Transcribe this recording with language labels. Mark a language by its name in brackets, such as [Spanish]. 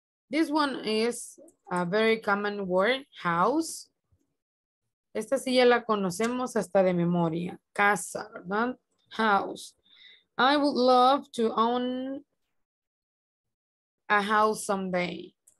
[English] This one is a very common word, house. [Spanish] Esta sí ya la conocemos hasta de memoria. Casa, ¿verdad? House. [English] I would love to own a house someday.